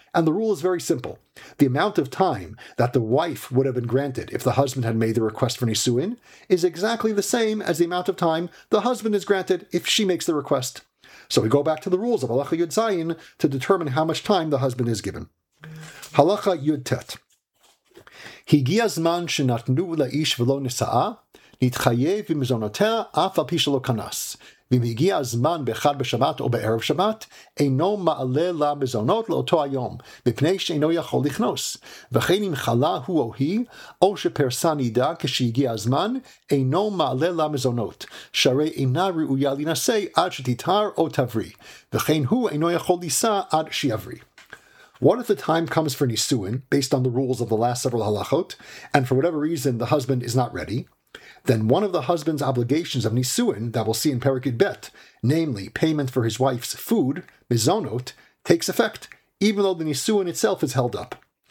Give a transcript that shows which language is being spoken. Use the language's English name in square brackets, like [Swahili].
[English] And the rule is very simple. The amount of time that the wife would have been granted if the husband had made the request for Nisuin is exactly the same as the amount of time the husband is granted if she makes the request. So we go back to the rules of Halacha Yud Zayin to determine how much time the husband is given. Halacha Yud Tet. [Hebrew] Higia zman shenatnu la'ish v'lo nisa'a, נתחייב במזונותיה אף על פי שלא כנס. ואם הגיע הזמן באחד בשבת או בערב שבת, אינו מעלה לה מזונות לאותו היום, מפני שאינו יכול לכנוס. וכן אם חלה הוא או היא, או שפרסה נידה כשהגיע הזמן, אינו מעלה לה מזונות, שהרי אינה ראויה לנשא עד שתתהר או תבריא. וכן הוא אינו יכול לישא עד שיבריא. [English] What if the time comes for Nisuin, based on the rules of the last several halachot, and for whatever reason the husband is not ready? Then one of the husband's obligations of Nisuin that we'll see in Perek Yud Bet, namely payment for his wife's food, mizonot, takes effect, even though the Nisuin itself is held up.